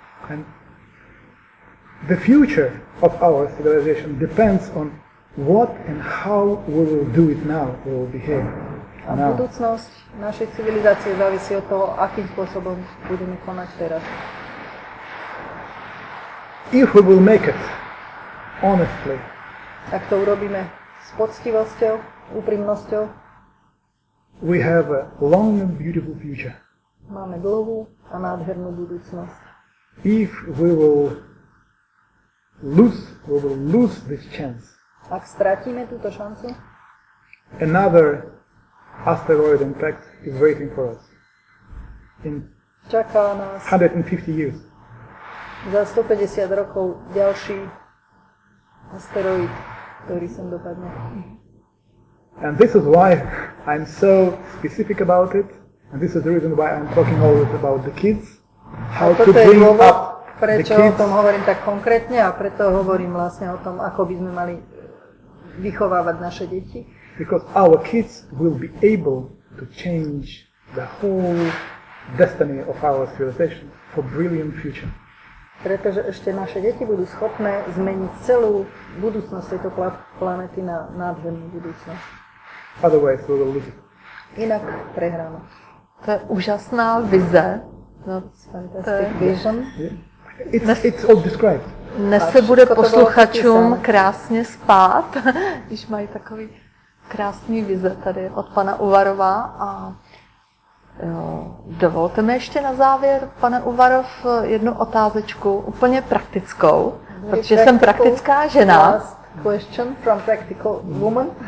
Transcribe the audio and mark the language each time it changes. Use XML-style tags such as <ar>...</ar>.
<en>And the future of our civilization depends on what and how we will do it now, we will behave.</en> <sk>A budúcnosť našej civilizácie závisí od toho, akým spôsobom budeme konať teraz.</sk> <en>If we will make it, honestly.</en> <sk>Ak to urobíme s poctivosťou, úprimnosťou.</sk> <en>We have a long and beautiful future.</en> <cs>Máme dlouhou a nádhernou budoucnost.</cs> <en>If we will lose, this chance.</en> <sk>Ak ztratíme tuto šancu?</sk> <en>Another asteroid impact is waiting for us. In</en> <sk>čaká nás</sk> <en>150 years.</en> <sk>Za 150 rokov ďalší asteroid, ktorý sem dopadne.</sk> <en>And this is why I'm so specific about it, and this is the reason why I'm talking always about the kids, how to bring up the kids.</en> <sk>Prečo o tom hovorím tak konkrétne a preto hovorím vlastne o tom, ako by sme mali vychovávať naše deti.</sk> <en>Because our kids will be able to change the whole destiny of our civilization for brilliant future.</en> <sk>Pretože ešte naše deti budú schopné zmeniť celú budúcnosť tejto planety na nádhernú budúcnosť.</sk> <en>Otherwise we will lose it.</en> <sk>Inak prehráme.</sk> <cs>To je úžasná vize.</cs> <en>That's fantastic vision. Yeah. It's all described.</en> <cs>Dnes se bude posluchačům krásně spát, když mají takový krásný vize tady od pana Uvarova. A dovolte mi ještě na závěr, pane Uvarov, jednu otázečku, úplně praktickou, protože jsem praktická žena.</cs> <en>Question from practical woman.</en>